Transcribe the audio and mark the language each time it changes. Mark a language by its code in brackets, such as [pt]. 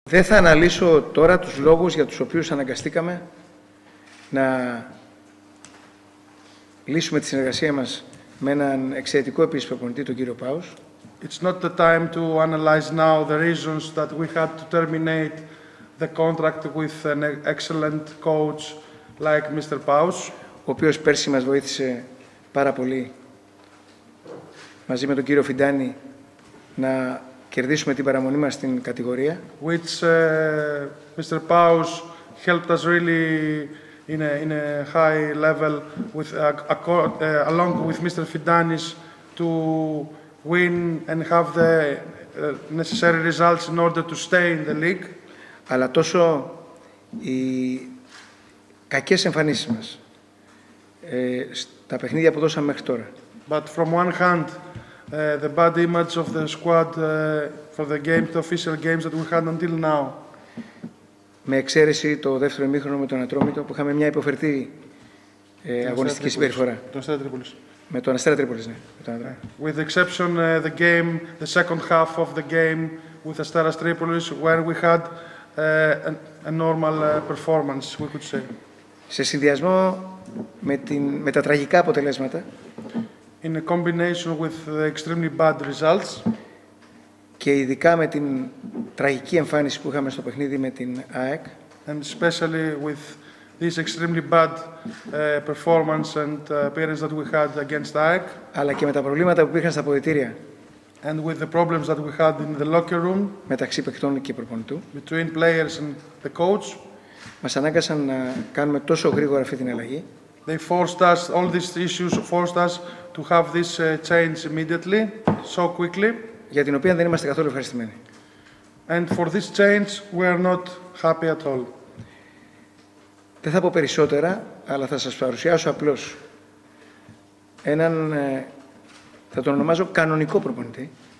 [el] Δεν θα αναλύσω τώρα τους λόγους για τους οποίους αναγκαστήκαμε να λύσουμε τη συνεργασία μας με έναν εξαιρετικό επίσης προπονητή, τον κύριο Πάους. [en] It's not the time to analyze now the reasons that we had to terminate the contract with an excellent coach like Mr. Paus. [el] Ο οποίος πέρσι μας βοήθησε πάρα πολύ μαζί με τον κύριο Φιντάνη να κερδίσουμε την παραμονή μας στην κατηγορία. [en] Which Mr. Paus helped us really in a high level with along with Mr. Fidanis to win and have the necessary results in order to stay in the league. [el] Αλλά τόσο οι κακές εμφανίσεις μας στα παιχνίδια που δώσαμε μέχρι τώρα. [en] But from one hand, the bad image of the squad for the games, the official games that we had until now. [el] Με εξαίρεση το δεύτερο ημίχρονο με τον Ατρόμητο που είχαμε μια υποφερτή αγωνιστική συμπεριφορά. Με τον Αστέρα Τρίπολης, ναι. [en] With the exception the game, the second half of the game with Astera Tripolis, where we had a normal performance, we could say. [el] Σε συνδυασμό με τα τραγικά αποτελέσματα. [en] In a combination with the extremely bad results. [el] Και ειδικά με την τραγική εμφάνιση που είχαμε στο παιχνίδι με την ΑΕΚ. [en] And especially with this extremely bad performance and appearance that we had against ΑΕΚ. [el] Αλλά και με τα προβλήματα που υπήρχαν στα αποδυτήρια. [en] And with the problems that we had in the locker room. [el] Μεταξύ παιχτών και προπονητού. [en] Between players and the coach. [el] Μας ανάγκασαν να κάνουμε τόσο γρήγορα αυτή την αλλαγή. [en] They forced us, all these issues forced us to have this change immediately, so quickly. [el] Για την οποία δεν είμαστε καθόλου ευχαριστημένοι. [en] And for this change, we are not happy at all. [el] Δεν θα πω περισσότερα, αλλά θα σας παρουσιάσω απλώς έναν, θα τον ονομάζω κανονικό προπονητή.